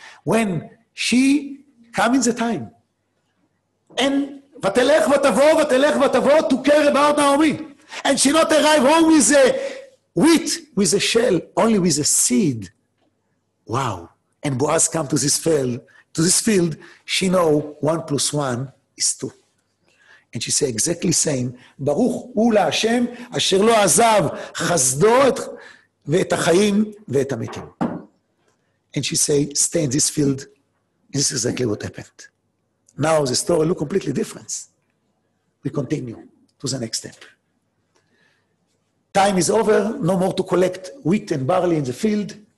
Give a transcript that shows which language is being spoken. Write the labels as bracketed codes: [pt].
[en] When she come in the time, and [he] ותלך ותבוא, ותלך ותבוא, [en] to care about Naomi. And she not arrive home with a wheat, with a shell, only with a seed. Wow. And Boaz come to this field, she know 1 + 1 = 2. [he] And she say exactly same, ברוך הוא להשם, אשר לא עזב חסדו ואת החיים ואת המתים. [en] And she say, stay in this field. This is exactly what happened. Now the story look completely different. We continue to the next step. Time is over, no more to collect wheat and barley in the field.